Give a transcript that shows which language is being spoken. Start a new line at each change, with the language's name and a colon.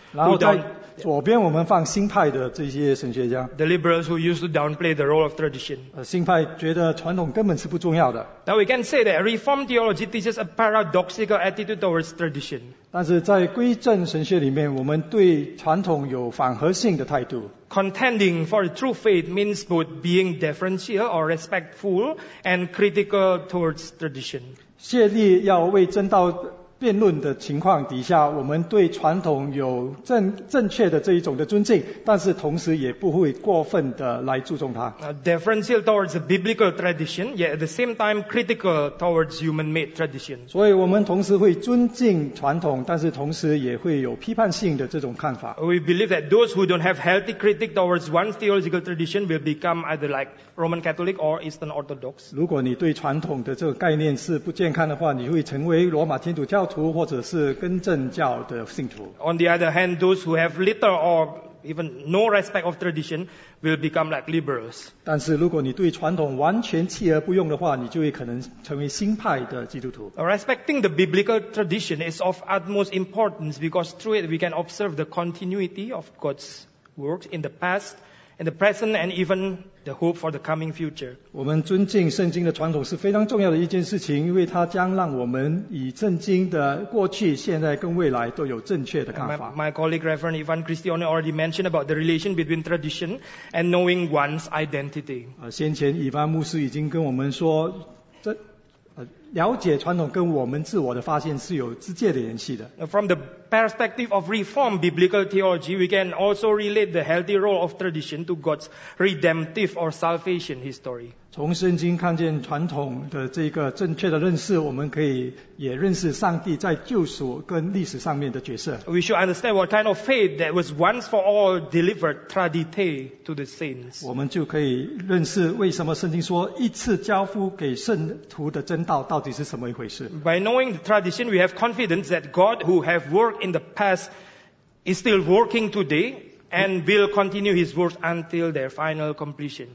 Chinese: 然后在左边我们放新派的这些神学家。
English: The liberals who used to downplay the role of tradition.
Chinese: 新派觉得传统根本是不重要的。
English: Now we can say that Reform theology teaches a paradoxical attitude towards tradition.
Chinese: 但是在归正神学里面，我们对传统有反合性的态度。
English: Contending for the true faith means both being deferential or respectful and critical towards tradition.
Chinese: 谢利要为正道辩论的情况底下，我们对传统有 正确的这一种的尊敬，但是同时也不会过分的来注重它。
English: Deferential towards the biblical tradition, yet at the same time critical towards human-made tradition.
Chinese: 所以我们同时会尊敬传统，但是同时也会有批判性的这种看法。
English: We believe that those who don't have healthy critic towards one theological tradition will become either like Roman Catholic or Eastern Orthodox.
Chinese: 如果你对传统的这个概念是不健康的话，你会成为罗马天主教徒或者是根正教的信徒。
English: On the other hand, those who have little or even no respect of tradition will become like liberals.
Chinese: 但是如果你对传统完全弃而不用的话，你就会可能成为新派的基督徒。
English: Respecting the biblical tradition is of utmost importance because through it we can observe the continuity of God's works in the past, in the present, and even the hope for the coming future.
Chinese: 我们尊敬圣经的传统是非常重要的一件事情，因为它将让我们以圣经的过去、现在跟未来都有正确的看法。
English: My colleague Reverend Ivan Cristione already mentioned about the relation between tradition and knowing one's identity.
Chinese: 先前以凡牧师已经跟我们说，了解传统跟我们自我的发现是有直接的联系的。
English: From the perspective of Reformed biblical theology, we can also relate the healthy role of tradition to God's redemptive or salvation history.
Chinese: 从圣经看见传统的这个正确的认识，我们可以也认识上帝在救赎跟历史上面的角色。
English: We should understand what kind of faith that was once for all delivered tradite to the saints.
Chinese: 我们就可以认识为什么圣经说一次交付给圣徒的真道到底是什么一回事。
English: By knowing the tradition, we have confidence that God, who have worked in the past, is still working today and will continue His works until their final completion.